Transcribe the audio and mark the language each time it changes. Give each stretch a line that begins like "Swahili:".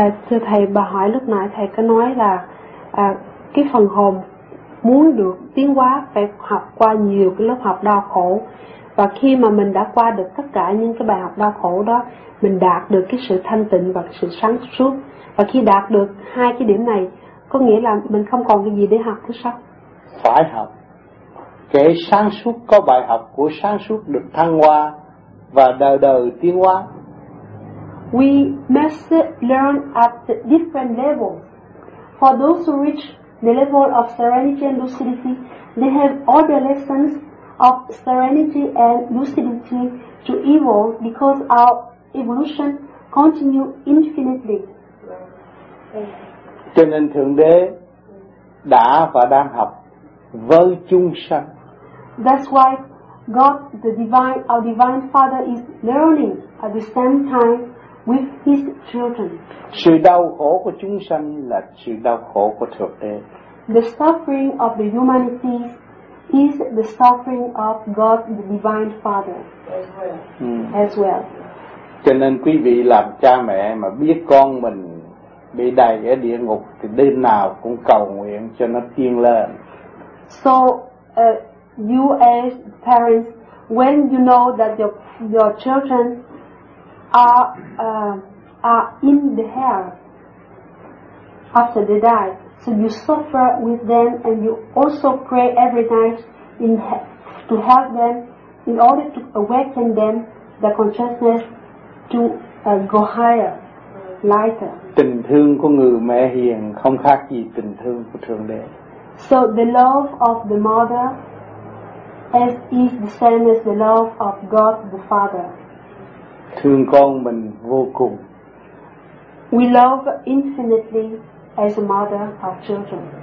Vietnamese: thưa thầy, bà hỏi lúc nãy thầy có nói là cái phần hồn muốn được tiến hóa phải học qua nhiều cái lớp học đau khổ, và khi mà mình đã qua được tất cả những cái bài học đau khổ đó, mình đạt được cái sự thanh tịnh và sự sáng suốt, và khi đạt được hai cái điểm này có nghĩa là mình không còn cái gì để học nữa sao? Phải học. Kể sáng suốt có bài học của sáng suốt được thăng hoa và đời đời tiến hóa.
English: We must learn at different levels. For those who reach the level of serenity and lucidity, they have all the lessons of serenity and lucidity to evolve, because our evolution continues infinitely.
Vietnamese: Cho nên Thượng Đế đã và đang học với chúng sanh.
English: That's why God, the divine, our divine Father, is learning at the same time with His children.
Vietnamese: Sự đau khổ của chúng sanh là sự đau khổ của Thượng Đế.
English: The suffering of the humanity is the suffering of God, the divine Father, as well.
Vietnamese: Cho nên quý vị làm cha mẹ mà biết con mình bị đày ở địa ngục thì đêm nào cũng cầu nguyện cho nó tiên lên.
English: So you as parents, when you know that your children are in the hell after they die, so you suffer with them and you also pray every night in to help them in order to awaken them the consciousness to go higher, lighter.
Vietnamese: Tình thương của người mẹ hiền không khác gì tình thương của Thượng Đế.
English: So the love of the mother is the same as the love of God the Father.
Vietnamese: Thương con mình vô cùng.
English: We love infinitely as a mother of children.